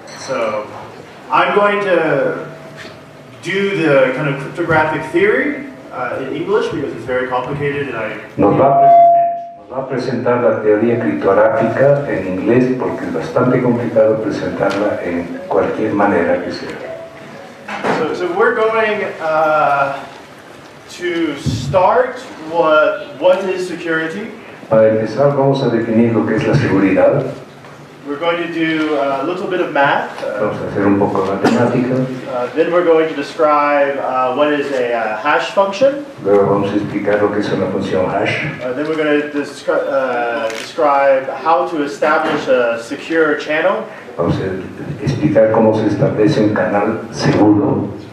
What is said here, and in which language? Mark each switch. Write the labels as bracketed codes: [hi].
[en] So I'm going to do the kind of cryptographic theory in English because it's very complicated and I [es] Va a presentar la teoría criptográfica en inglés porque es bastante complicado presentarla en cualquier manera que sea. [en] So we're going to start what is security. [es] Para empezar, vamos a definir lo que es la seguridad. [en] We're going to do a little bit of math. [es] Vamos a hacer un poco de matemática. [en] Then we're going to describe what is a hash function. [es] Luego vamos a explicar lo que es una función hash. [en] Then we're going to describe how to establish a secure channel. [es] Vamos a explicar cómo se establece un canal seguro.